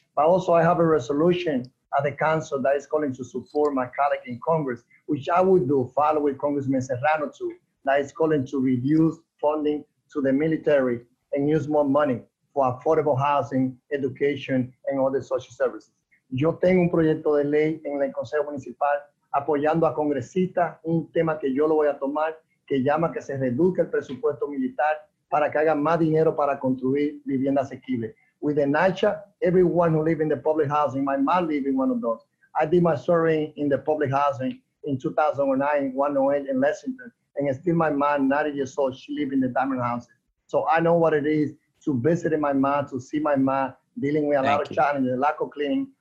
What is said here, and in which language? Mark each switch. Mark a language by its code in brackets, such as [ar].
[en] But also I have a resolution at the council that is calling to support my colleague in Congress, which I would do, follow with Congressman Serrano too, that is calling to reduce funding to the military and use more money for affordable housing, education, and other social services. [es] Yo tengo un proyecto de ley en el Consejo Municipal apoyando a congresistas, un tema que yo lo voy a tomar, que llama que se reduzca el presupuesto militar para que haga más dinero para construir vivienda asequible. [en] With the NYCHA, everyone who lives in the public housing might not live in one of those. I did my survey in the public housing in 2009, 108 in Lexington, and still my mom, 90 years old, she lived in the diamond houses. So I know what it is to visit my mom, to see my mom dealing with a lot of challenges, lack of cleaning.